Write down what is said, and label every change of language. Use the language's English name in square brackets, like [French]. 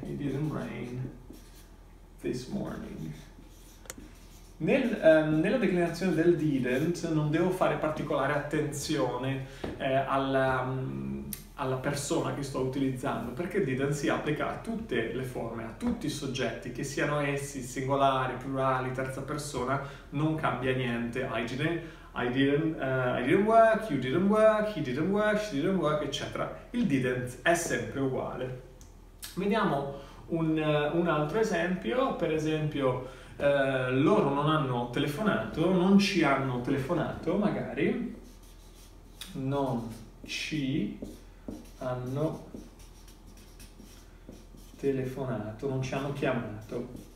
[English] It didn't rain this morning. [Italian] Nella declinazione del didn't non devo fare particolare attenzione alla persona che sto utilizzando, perché didn't si applica a tutte le forme, a tutti i soggetti, che siano essi singolari, plurali, terza persona, non cambia niente. [English] I didn't work, you didn't work, he didn't work, she didn't work, [Italian] eccetera. Il didn't è sempre uguale. Vediamo un altro esempio, per esempio loro non hanno telefonato, non ci hanno telefonato, magari non ci hanno telefonato, non ci hanno chiamato.